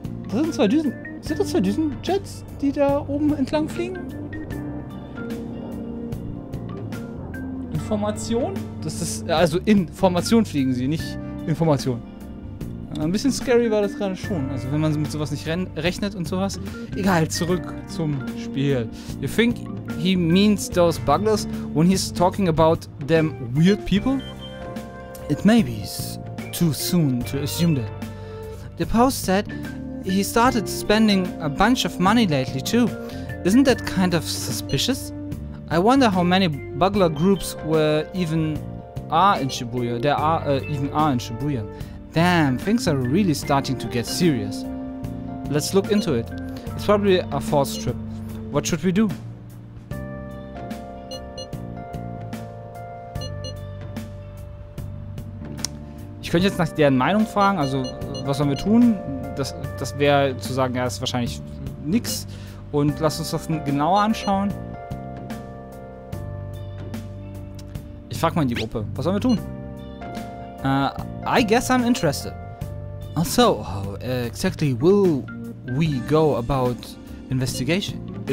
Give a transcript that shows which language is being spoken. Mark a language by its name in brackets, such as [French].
[German] Das sind zwei Düsen... Sind das zwei Düsenjets, die da oben entlang fliegen? Information? Das ist, also in Formation fliegen sie, nicht Information. Ein bisschen scary war das gerade schon. Also wenn man mit sowas nicht rechnet und sowas. Egal, zurück zum Spiel. [English] You think he means those bugglers when he's talking about them weird people? It may be too soon to assume that. The post said he started spending a bunch of money lately too. Isn't that kind of suspicious? I wonder how many burglar groups were even are in Shibuya. There are even in Shibuya. Damn, things are really starting to get serious. Let's look into it. It's probably a false trip. What should we do? [German] Ich könnte jetzt nach deren Meinung fragen, also was sollen wir tun? Das wäre zu sagen, ja, ist wahrscheinlich nix. Und lass uns das genauer anschauen. Ich frage mal in die Gruppe, was sollen wir tun? [English] I guess I'm interested. Also, how exactly will we go about investigating?